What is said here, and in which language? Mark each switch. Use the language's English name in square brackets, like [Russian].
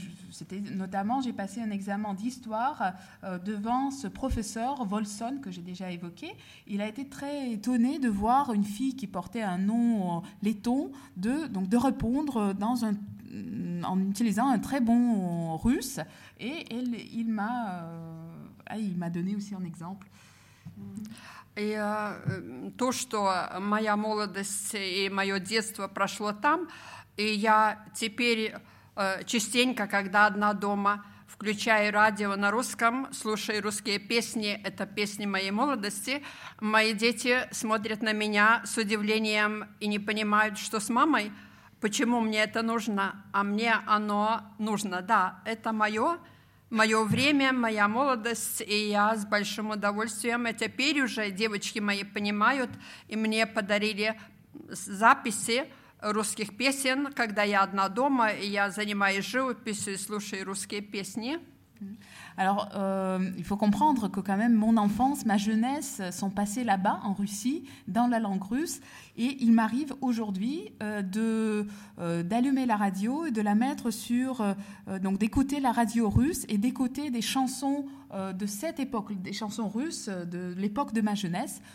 [French] C'était notamment, j'ai passé un examen d'histoire devant ce professeur Volson, que j'ai déjà évoqué. Il a été très étonné de voir une fille qui portait un nom letton de répondre dans un en utilisant un très bon russe, et il m'a donné aussi un exemple. Et [Russian] то, что моя молодость и мое детство прошло там, и я теперь частенько, когда одна дома, включаю радио на русском, слушаю русские песни, это песни моей молодости. Мои дети смотрят на меня с удивлением и не понимают, что с мамой, почему мне это нужно, а мне оно нужно. Да, это мое, мое время, моя молодость, и я с большим удовольствием. А теперь уже девочки мои понимают, и мне подарили записи русских песен, когда я одна дома, и я занимаюсь живописью и слушаю русские песни. [French] Alors, il faut comprendre que quand même mon enfance, ma jeunesse sont passées là-bas, en Russie, dans la langue russe. Et il m'arrive aujourd'hui d'allumer la radio et de la mettre sur... donc d'écouter la radio russe et d'écouter des chansons de cette époque, des chansons russes de l'époque de ma jeunesse.